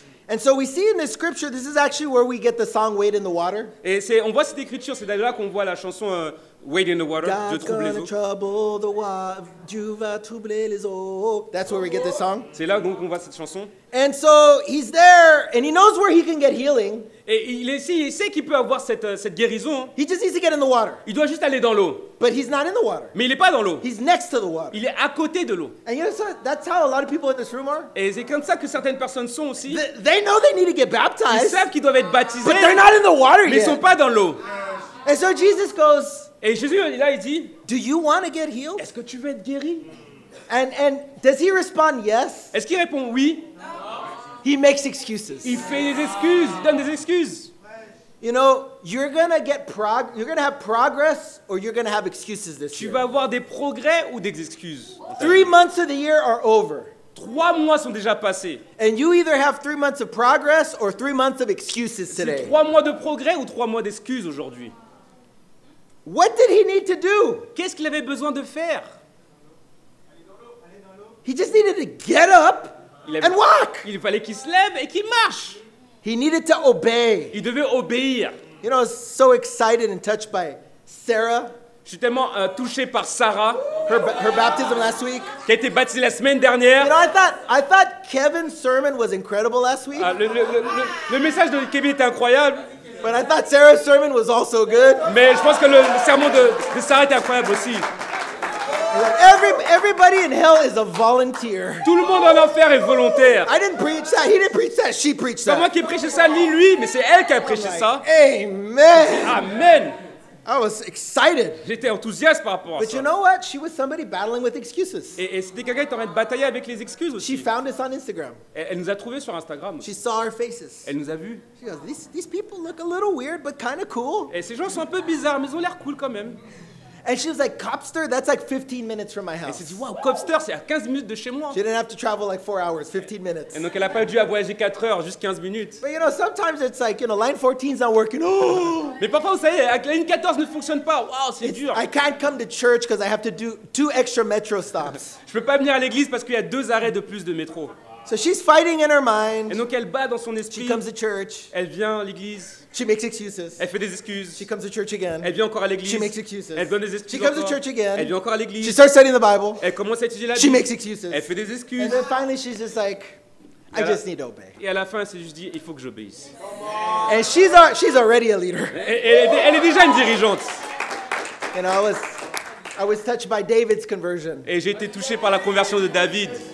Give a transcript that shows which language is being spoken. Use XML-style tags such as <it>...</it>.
<en>And so we see in this scripture, this is actually where we get the song "Wade in the Water."</en> <fr>Et c'est, on voit cette écriture, c'est là qu'on voit la chanson "Wade in the Water."</fr> <en>God's</en> <fr>de</fr> <en>gonna</en> <fr>les eaux.</fr> <en>Trouble the water.</en> <fr>Dieu va troubler les eaux.</fr> <en>That's where we get this song.</en> <fr>C'est là donc on voit cette chanson.</fr> <en>And so he's there, and he knows where he can get healing.</en> <fr>Et il est ici, il sait qu'il peut avoir cette guérison.</fr> <en>He just needs to get in the water.</en> <fr>Il doit juste aller dans l'eau.</fr> <en>But he's not in the water.</en> <fr>Mais il est pas dans l'eau.</fr> <en>He's next to the water.</en> <fr>Il est à côté de l'eau.</fr> <en>And you know, so that's how a lot of people in this room are.</en> <fr>Et c'est comme ça que certaines personnes sont aussi.</fr> <en>They know they need to get baptized.</en> <fr>Ils savent qu'ils doivent être baptisés.</fr> <en>But they're not in the water</en> <fr>mais</fr> <en>yet.</en> <fr>Mais ils sont pas dans l'eau.</fr> <en>And so Jesus goes.</en> <fr>Et Jésus là il dit.</fr> <en>Do you want to get healed?</en> <fr>Est-ce que tu veux être guéri?</fr> <en>And does he respond yes?</en> <fr>Est-ce qu'il répond oui?</fr> <en>He makes excuses.</en> <fr>Il fait des excuses. Il donne des excuses.</fr> <en>You know, you're gonna get you're gonna have progress, or you're gonna have excuses this</en> <fr>tu</fr> <en>year.</en> <fr>Tu vas avoir des progrès ou des excuses.</fr> <en>3 months of the year are over.</en> <fr>3 mois sont déjà passés.</fr> <en>And you either have 3 months of progress or 3 months of excuses today.</en> <fr>C'est 3 mois de progrès ou 3 mois d'excuses aujourd'hui.</fr> <en>What did he need to do?</en> <fr>Qu'est-ce qu'il avait besoin de faire?</fr> <en>He just needed to get up. And walk.</en> <fr>Il fallait qu'il se lève et qu'il marche.</fr> <en>He needed to obey.</en> <fr>Il devait obéir.</fr> <en>You know, I was so excited and touched by Sarah.</en> <fr>Je suis tellement touché par Sarah.</fr> <en>Her baptism last week.</en> <fr>Qui a été baptisée la semaine dernière.</fr> <en>You know, I thought Kevin's sermon was incredible last week.</en> <fr>Le message de Kevin était incroyable.</fr> <en>But I thought Sarah's sermon was also good.</en> <fr>Mais je pense que le sermon de Sarah était incroyable aussi.</fr> <en>Everybody in hell is a volunteer.</en> <fr>Tout le monde en enfer est volontaire.</fr> <en>I didn't preach that. He didn't preach that. She preached that.</en> <fr>C'est moi qui prêche ça, ni lui, mais c'est elle qui a prêché ça.</fr> <en>Amen.</en> <fr>Amen.</fr> <en>I was excited.</en> <fr>J'étais enthousiaste par rapport à ça.</fr> <en>But you know what? She was somebody battling with excuses.</en> <fr>Et c'était quelqu'un qui était en train de batailler avec les excuses aussi.</fr> <en>She found us on Instagram.</en> <fr>Elle nous a trouvé sur Instagram.</fr> <en>She saw our faces.</en> <fr>Elle nous a vu.</fr> <en>She goes, these people look a little weird, but kind of cool.</en> <fr>Et ces gens sont un peu bizarres, mais ils ont l'air cool quand même.</fr> <en>And she was like, Copster, that's like 15 minutes from my house.</en> <fr>Et c'est dit, wow, Copster, c'est à 15 minutes de chez moi.</fr> <en>She didn't have to travel like 4 hours, 15 minutes.</en> <fr>Et donc elle a pas dû voyager 4 heures, juste 15 minutes.</fr> <en>But you know, sometimes it's like, you know, line 14 is not working. Oh!</en> <fr>Mais parfois, vous savez, la ligne 14 ne fonctionne pas. Wow, c'est dur.</fr> <en>I can't come to church because I have to do 2 extra metro stops.</en> <fr>Je peux pas venir à l'église parce qu'il y a 2 arrêts de plus de métro.</fr> <en>So she's fighting in her mind.</en> <fr>Et donc elle bat dans son esprit.</fr> <en>She comes to church.</en> <fr>Elle vient à l'église.</fr> <en>She makes excuses.</en> <fr>Elle fait des excuses.</fr> <en>She comes to church again.</en> <fr>Elle vient encore à l'église.</fr> <en>She makes excuses.</en> <fr>Elle donne des excuses.</fr> <en>She comes</en> <fr>encore.</fr> <en>To church again.</en> <fr>Elle vient encore à l'église.</fr> <en>She starts studying the Bible.</en> <fr>Elle commence à étudier la</fr> <en>she</en> <fr>Bible.</fr> <en>She makes excuses.</en> <fr>Elle fait des excuses.</fr> <en>And then finally she's just like, I just need to obey.</en> <fr>Et à la fin c'est juste dit, il faut que j'obéisse.</fr> <en>And she's already a leader.</en> <fr>Elle est déjà une dirigeante.</fr> <en>And I was touched by David's conversion. Et j'ai été touché par la conversion de David.</en>